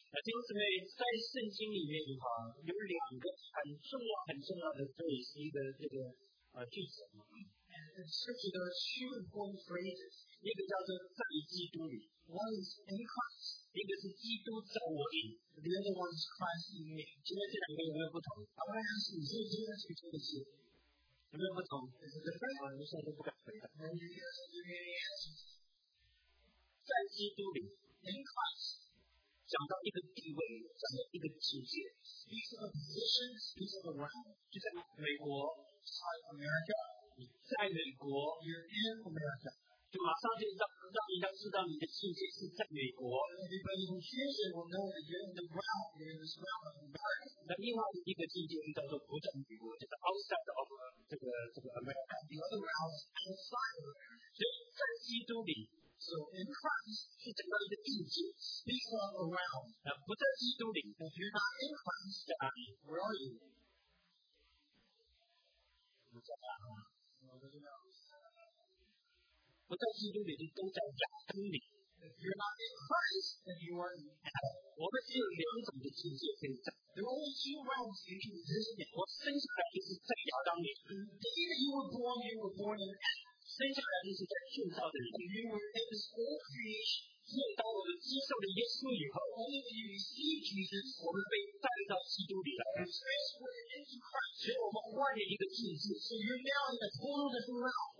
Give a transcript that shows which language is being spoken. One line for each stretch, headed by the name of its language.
Chinese: 在圣经里面的话，有两个很重要、很重要的对一个这个句子。
English: And scripture there are two important phrases.
Chinese: 一个叫做在基督里。
English: One is in Christ.
Chinese: 一个是基督在我里。
English: The other one is Christ in me.
Chinese: 今天这两个有没有不同？我来问你，你说今天这个真的是有没有不同？
English: Is it different?
Chinese: 你现在都不敢回答。
English: And you guys are giving me answers.
Chinese: 在基督里。
English: In Christ,
Chinese: 讲到一个地位，讲到一个境界。
English: Speaks of a position, speaks of a realm.
Chinese: 就在美国
English: ，in America，
Chinese: 在美国
English: ，you're in America，
Chinese: 就马上就让人家知道你的境界是在美国。
English: Everybody who hears it will know that you're in the realm, you're in the realm of America.
Chinese: 那另外一个境界叫做不在美国，就是
English: outside of
Chinese: 这个 America.
English: The other realm is outside of America.
Chinese: 就在基督里。
English: So in Christ,
Chinese: 是这样的境界
English: Speak of a realm.
Chinese: 那不在基督里
English: If you're not in Christ,
Chinese: 在哪里
English: Where are you?
Chinese: 不在哪里我在这样不在基督里就都在亚当里
English: If you're not in Christ, then you are in hell.
Chinese: 我们只有两种的境界可以在
English: There are only two realms you can exist in.
Chinese: 我生下来就是在亚当里
English: The day that you were born in hell.
Chinese: 生下来就是在建造的人。
English: You were in this old creation.
Chinese: 只有当我们接受了耶稣以后
English: ，Only when you receive Jesus，
Chinese: 我们被带到基督里来。
English: Transferred into Christ，
Chinese: 所以我们换了一个境界。
English: So you're now in a totally different realm.